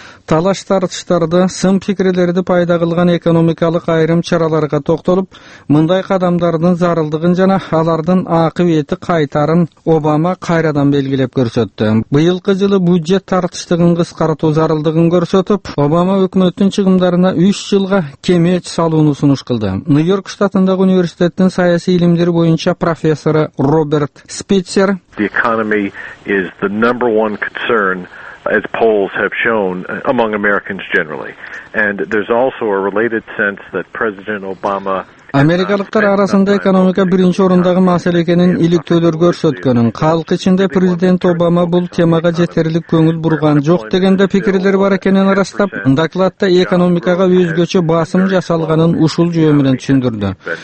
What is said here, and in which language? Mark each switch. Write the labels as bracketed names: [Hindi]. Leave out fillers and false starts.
[Kyrgyz] Талаш тартыштарды, сын пикирлерди пайда кылган экономикалык айрым чараларга токтолуп, мындай кадамдардын зарылдыгын жана алардын акыбети кайтарын Обама кайрадан белгилеп көрсөттү. Быйылкы жылы бюджет тартыштыгын кыскартуу зарылдыгын көрсөтүп, Обама өкмөттүн чыгымдарына 3 жылга кемет салууну сунуш кылды. Нью-Йорк штатындагы университеттин саясий илимдер боюнча профессору Роберт Спитцер: [English] The economy is the number one concern, as polls have shown, among Americans generally. And there's also a related sense that President Obama... [Kyrgyz] Америкалыктар арасында экономика биринчи орундагы маселе экенин иликтөөлөр көрсөткөнүн, калк ичинде президент Обама бул темага жетерлик көңүл бурган жок деген да пикирлер бар экенин ырастап, докладта экономикага өзгөчө басым жасалганын ушул жөө менен түшүндүрдү.